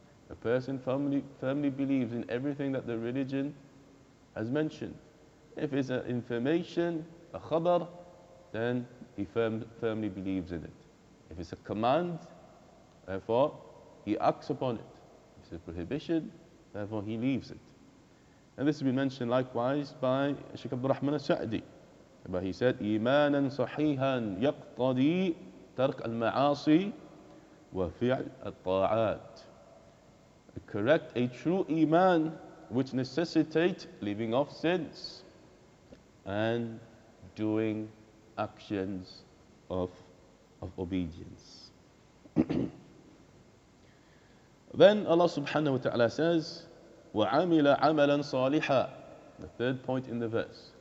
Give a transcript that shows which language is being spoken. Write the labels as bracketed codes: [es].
[en] A person firmly believes in everything that the religion has mentioned. If it's an information, a khabar, then he firmly believes in it. If it's a command, therefore he acts upon it. If it's a prohibition, therefore he leaves it. And this has been mentioned likewise by Sheikh Abdul Rahman al-Sa'di. But he said, [ar] إِيمَانًا صَحِيحًا يَقْتَضِي تَرْكَ الْمَعَاصِي وَفِعْلَ الطَّاعَاتِ. [en] Correct, a true iman which necessitates leaving off sins and doing actions of obedience. Then Allah subhanahu wa ta'ala says, [ar] وَعَمِلَ عَمَلًا صَالِحًا. [en] The third point in the verse.